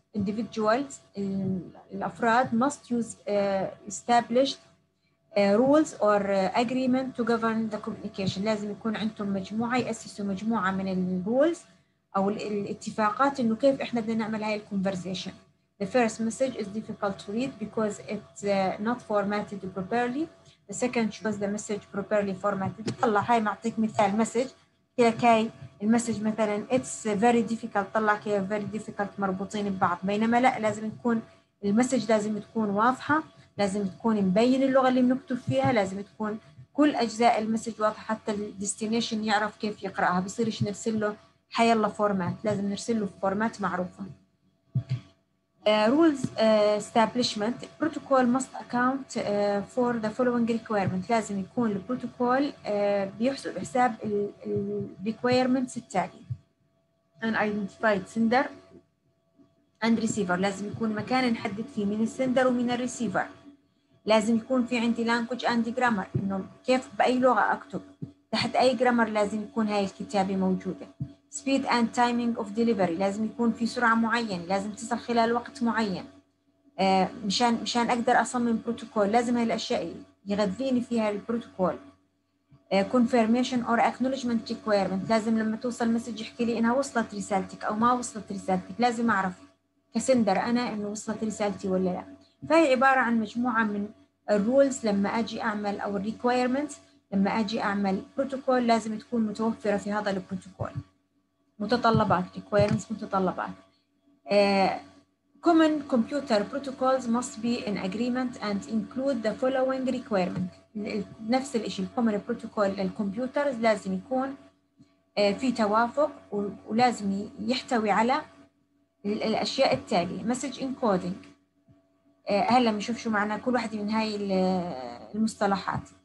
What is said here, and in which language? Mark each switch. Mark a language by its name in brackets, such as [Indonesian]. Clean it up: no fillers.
[English] individuals الأفراد must use established rules or agreement to govern the communication. [Arabic] لازم يكون عندهم مجموعة، يأسسوا مجموعة من الرولز أو الاتفاقات إنه كيف إحنا بدنا نعمل هاي الكونفرزيشن. [English] The first message is difficult to read because it's not formatted properly. The second was the message properly formatted. [Arabic] طلع هاي معطيك مثال مسج، قلك هاي المسج مثلا [English] it's very difficult، [Arabic] طلع كي [English] very difficult [Arabic] مربوطين ببعض، بينما لا، لازم تكون المسج لازم تكون واضحة، لازم تكون مبين اللغة اللي بنكتب فيها، لازم تكون كل أجزاء المسج واضحة حتى ال destination يعرف كيف يقرأها. بصيرش نرسل له حي الله فورمات، لازم نرسل له فورمات معروفة. [English] rules establishment protocol must account for the following requirement. [Arabic] لازم يكون البروتوكول بيحسب حساب ال requirements التالي. [English] an identified sender and receiver. [Arabic] لازم يكون مكان نحدد فيه من السندر ومن الريسيفر. لازم يكون في عندي [English] language and grammar، [Arabic] إنه كيف بأي لغة أكتب، تحت أي grammar لازم يكون هاي الكتابة موجودة. [English] speed and timing of delivery. [Arabic] لازم يكون في سرعة معينة، لازم تصل خلال وقت معين. مشان أقدر أصمم بروتوكول لازم هالأشياء يغذيني فيها البروتوكول. [English] confirmation or acknowledgement requirement. [Arabic] لازم لما توصل مسج يحكي لي إنها وصلت رسالتك أو ما وصلت رسالتك، لازم أعرف كسندر أنا إنه وصلت رسالتي ولا لا. فهي عبارة عن مجموعة من الرولز لما اجي اعمل او الريكويرمنتس لما اجي اعمل بروتوكول لازم تكون متوفره في هذا البروتوكول. متطلبات requirements متطلبات. [English] Common computer protocols must be in agreement and include the following requirement. [Arabic] نفس الشيء common protocol للكمبيوتر لازم يكون في توافق ولازم يحتوي على الأشياء التالية: message encoding. هلا بنشوف شو معنى كل واحدة من هاي المصطلحات.